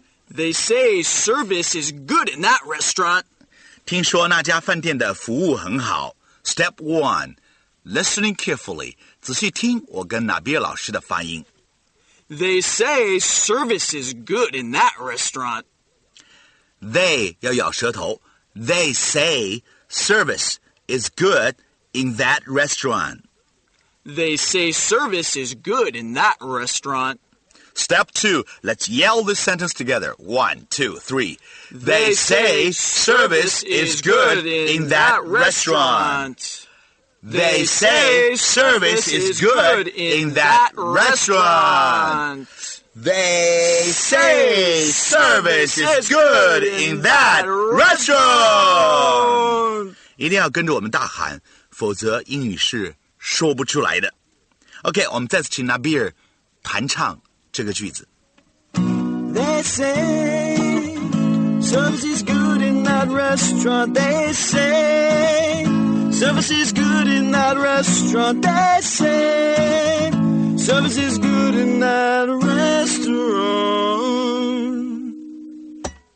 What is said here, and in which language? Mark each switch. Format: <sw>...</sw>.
<en>They say service is good in that restaurant.</en> <zh>听说那家饭店的服务很好。</zh> <en>Step 1. Listening carefully.</en> <zh>仔细听我跟纳比尔老师的发音。</zh> <en>They say service is good in that restaurant.</en> <zh>They 要咬舌头。</zh> <en>They say service is good in that restaurant. They say service is good in that restaurant. Step 2. Let's yell this sentence together. 1, 2, 3. They say service is good in that restaurant. They say service is good in that restaurant. They say service is good in that restaurant.</en> <zh>一定要跟着我们大喊，否则英语是说不出来的。 OK, 我们再次请 Nabeer 弹唱这个句子。</zh> <en>They say service is good in that restaurant. They say service is good in that restaurant. They say service is good in that restaurant.</en>